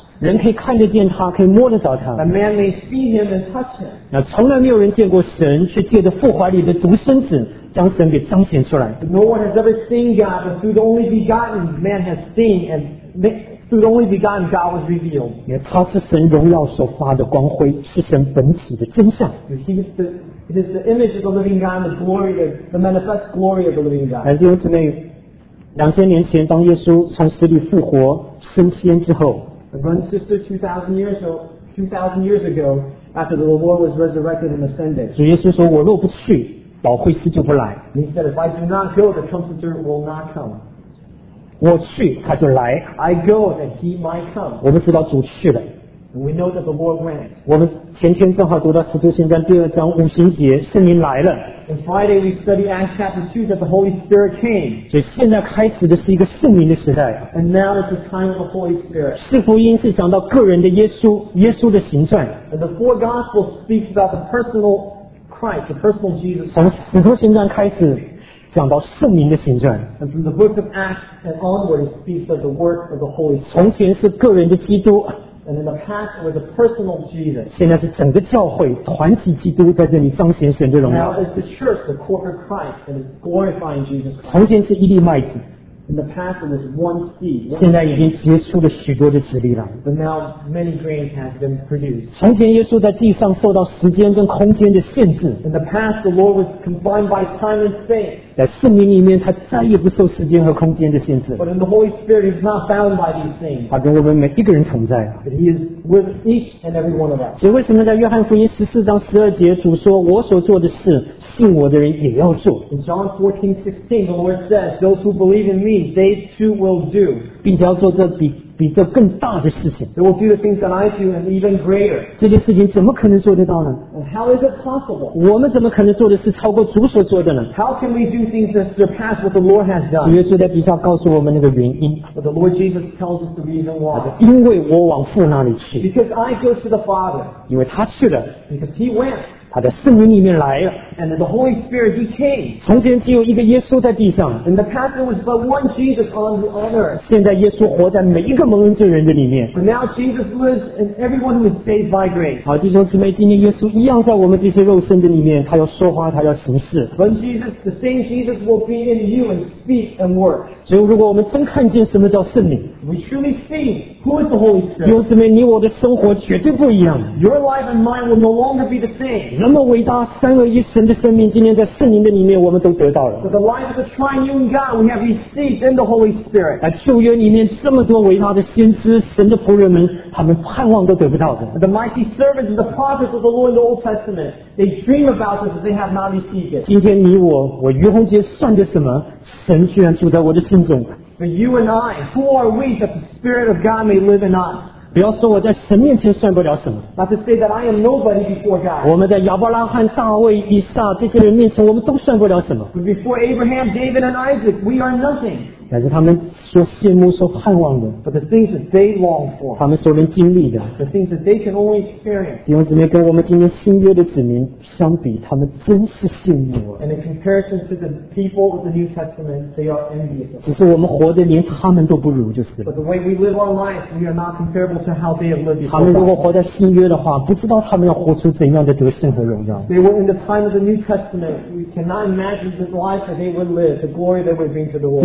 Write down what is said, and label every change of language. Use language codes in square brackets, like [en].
[zh] 人可以看得见他可以摸得到他 [en] A man may see Him and touch Him [zh] 那从来没有人见过神却借着父怀里的独生子将神给彰显出来 [en] But no one has ever seen God but through the only begotten man has seen andThrough the only begotten God was revealed. [zh] 因为他是神荣耀所发的光辉，是神本体的真相。 [en] It is the image of the living God, the glory, the manifest glory of the living God. [zh] 弟兄姊妹，两千年前当耶稣从死里复活升天之后 [en] 2000 years ago, after the Lord was resurrected and ascended. [zh] 主耶稣说：“我若不去，保惠师就不来。” [en] He said, "If I do not go, the Comforter will not come." [zh] 我去他就来 [en] I go that he might come [zh] 我们知道主去了 [en] We know that the Lord went [zh] 我们前天正好读到使徒行传第二章五旬节圣灵来了 [en] And Friday we study Acts chapter 2 that the Holy Spirit came [zh] 所以现在开始的是一个圣灵的时代 [en] And now is the time of the Holy Spirit [zh] 四福音是讲到个人的耶稣的行传 [en] And the four gospels speak about the personal Christ the personal Jesus [zh] 从使徒行传开始讲到圣灵的行传 [en] and from the book of Acts and onward it speaks of the work of the Holy Spirit [zh] 从前是个人的基督 [en] and in the past it was a personal Jesus [zh] 现在是整个教会团体基督在这里彰显神的荣耀 [en] now it's the church the corporate Christ that is glorifying Jesus Christ [zh] 从前是一粒麦子 [en] In the past, it was one seed. [zh] 现在已经结出了许多的籽粒了。 [en] But now many grains have been produced. [zh] 从前耶稣在地上受到时间跟空间的限制。 [en] In the past, the Lord was confined by time and space. [zh] 在圣灵里面，他再也不受时间和空间的限制。 [en] But in the Holy Spirit, he's not bound by these things. [zh] 他跟我们每一个人同在。 [en] But he is with each and every one of us. [zh] 所以为什么在约翰福音十四章十二节，主说我所做的事，信我的人也要做。 [en] In John 14:16, the Lord says, "Those who believe in me, they too will do." [zh] 并且要做这比这更大的事情。 [en] They will do the things that I do, and even greater. [zh] 这件事情怎么可能做得到呢 [en] ？And how is it possible? [zh] 我们怎么可能做的是超过主所做的呢 [en] ？How can we do things that surpass what the Lord has done? [zh] 主耶稣在底下告诉我们那个原因。 [en] But the Lord Jesus tells us the reason why. [zh] 他说：“因为我往父那里去。 [en] ”Because I go to the Father. [zh] 因为他去了。 [en] Because he went. [zh] 他在圣灵里面来了 [en] and the Holy Spirit, he came. [zh] 从前只有一个耶稣在地上 [en] in the past there was but one Jesus on the earth. [zh] 现在耶稣活在每一个蒙恩罪人的里面 [en] but now Jesus lives in everyone who is saved by grace. [zh] 好弟兄姊妹今天耶稣一样在我们这些肉身的里面他要说话他要行事 [en] but Jesus, the same Jesus will be in you and speak and work. [zh] 所以如果我们真看见什么叫圣灵 [en] we truly see who is the Holy Spirit. [zh] 弟兄姊妹你我的生活绝对不一样 [en] your life and mine will no longer be the same. [zh] 那么伟大三位一神的生命今天在圣灵的里面我们都得到了 [en] so the life of the triune God we have received in the Holy Spirit [zh] 在旧约里面这么多伟大的先知神的仆人们他们盼望都得不到的 [en] the mighty servants the prophets of the Lord in the Old Testament they dream about this but they have not received it [zh] 今天你我我于洪杰算的什么神居然住在我的心中 [en] but you and I who are we that the Spirit of God may live in us [zh] 不要说我在神面前算不了什么。 [en] Not to say that I am nobody before God. [zh] 我们在亚伯拉罕、大卫、以撒这些人面前，我们都算不了什么。 [en] But before Abraham, David, and Isaac, we are nothing. [zh] 但是他们所羡慕、所盼望的。 [en] But the things that they long for. [zh] 他们所能经历的。 [en] The things that they can only experience. [zh] 弟兄姊妹，跟我们今天新约的子民相比，他们真是羡慕啊。 [en] And in comparison to the people of the New Testament, they are envious. [zh] 只是我们活得连他们都不如，就是。 [en] But the way we live our lives, we are not comparable. [zh] 他们如果活在新约的话不知道他们要活出怎样的得胜和荣耀 [en] They were in the time of the New Testament We cannot imagine the life that they would live The glory that would bring to the world